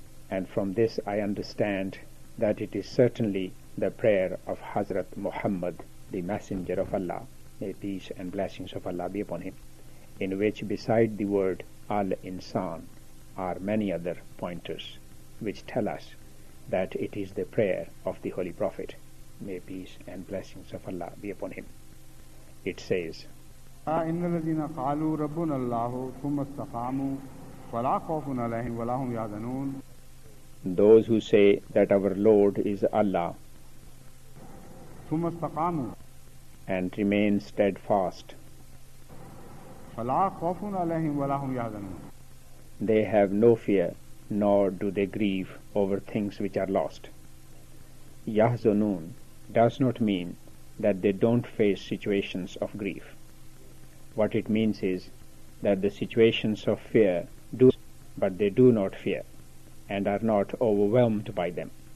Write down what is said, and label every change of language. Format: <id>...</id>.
<en>And from this I understand that it is certainly the prayer of Hazrat Muhammad, the Messenger of Allah, may peace and blessings of Allah be upon him, in which beside the word Al-Insan are many other pointers which tell us that it is the prayer of the Holy Prophet, may peace and blessings of Allah be upon him. It says,</en> <ar>ان الذين قالوا ربنا الله ثم استقاموا فلا خوف عليهم ولا هم يحزنون.</ar> <en>Those who say that our Lord is Allah,</en> <ar>ثم استقاموا,</ar> <en>and remain steadfast,</en> <ar>فلا خوف عليهم ولا هم يحزنون.</ar> <en>They have no fear, nor do they grieve over things which are lost. Yahzanun does not mean that they don't face situations of grief. What it means is that the situations of fear do, but they do not fear, and are not overwhelmed by them.</en>